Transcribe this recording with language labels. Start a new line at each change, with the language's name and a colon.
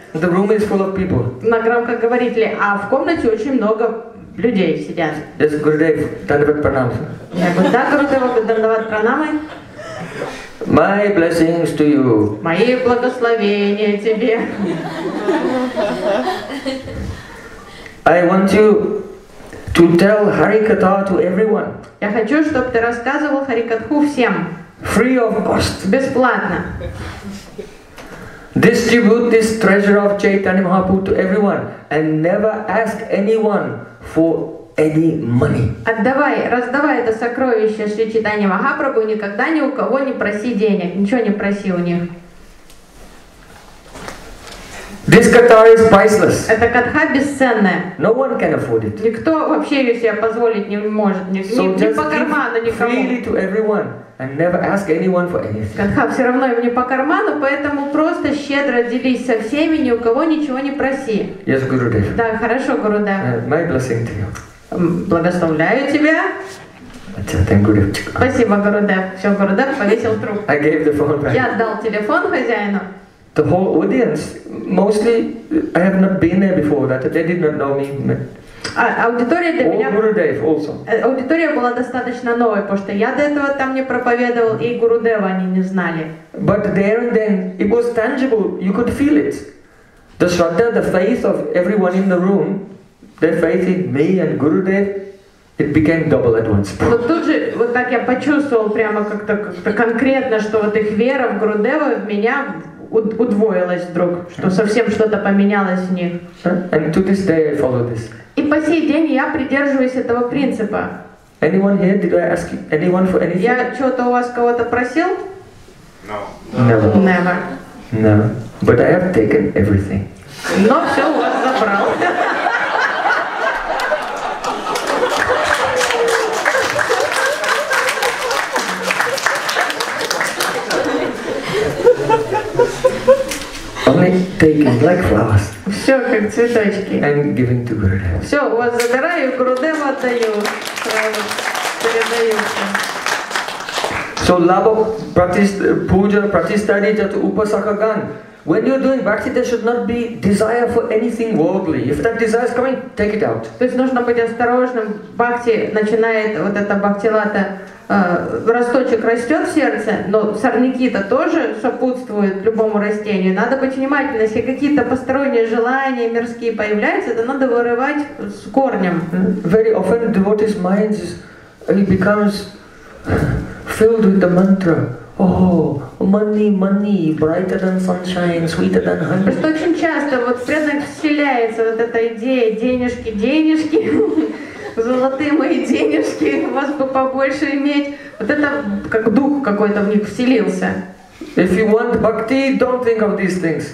English: The room is full of people.
Russian: На громкоговорителе. А в комнате очень много людей сидят.
English: Yes, Gurudev, Dandavat Pranam.
Russian: Я говорю, да, Гурудева, Dandavat Pranam.
English: My blessings to you.
Russian: Мои благословения тебе.
English: I want you to tell Harikatha to everyone.
Russian: Я хочу, чтобы ты рассказывал Харикатху всем.
English: Free of cost.
Russian: Бесплатно.
English: Distribute this treasure of Chaitanya Mahaprabhu to everyone and never ask anyone for any money.
Russian: Отдавай, раздавай это сокровище Шри Чайтанья Махапрабху, никогда ни у кого не проси денег, ничего не проси у них.
English: This katha is priceless.
Russian: Эта катха бесценная.
English: No one can afford it.
Russian: Никто вообще ее себе позволить не может, ни,
English: so
Russian: ни по карману никому.
English: Freely to everyone and never ask anyone for anything.
Russian: Катха все равно им не по карману, поэтому просто щедро делись со всеми, ни у кого ничего не проси.
English: Yes, Gurudev.
Russian: Да, хорошо, Гурудев.
English: My blessing to you.
Russian: Благословляю тебя. Чатан Гурудев. Спасибо, Гурудев. Все, Гурудев повесил трубку.
English: I gave the phone back.
Russian: Я отдал телефон хозяину.
English: The whole audience, mostly, I have not been there before, that they did not know me.
Russian: Аудитория была достаточно новой, потому что я до этого там не проповедовал, и Гурудева они не знали.
English: But there and then, it was tangible, you could feel it. The Shraddha, the faith of everyone in the room, their faith in me and Gurudev, it became double at once.
Russian: Вот тут же, вот так я почувствовал прямо как-то конкретно, что вот их вера в Гурудева, в меня удвоилась вдруг, что совсем что-то поменялось в них.
English: And to this day I follow this.
Russian: И по сей день я придерживаюсь этого принципа.
English: Anyone here? Did I ask you anyone for anything?
Russian: Я что-то у вас кого-то просил?
English: No. Never. Never. Never. But I have taken everything.
Russian: Но все у вас забрал.
English: Only taking like flowers.
Russian: Все, как цветочки.
English: And giving to Gurudev.
Russian: Все, у вас забираю, Гурудеву отдаю. Сразу передаю.
Bangla: So labo puja pratistadi jat upasakagan.
English: When you're doing bhakti, there should not be desire for anything worldly. If that desire is coming, take it out.
Russian: То есть нужно быть осторожным. Бхакти начинает вот эта бхактилата. Росточек растет в сердце, но сорняки-то тоже сопутствуют любому растению. Надо быть внимательным. Если какие-то посторонние желания мирские появляются, то надо вырывать с корнем.
English: Very often devotee's mind becomes filled with the mantra. Oh, money, money, brighter than sunshine, sweeter than honey.
Russian: Просто очень часто вот преданных вселяется вот эта идея денежки, денежки, золотые мои денежки, вас бы побольше иметь. Вот это как дух какой-то в них вселился.
English: If you want bhakti, don't think of these things.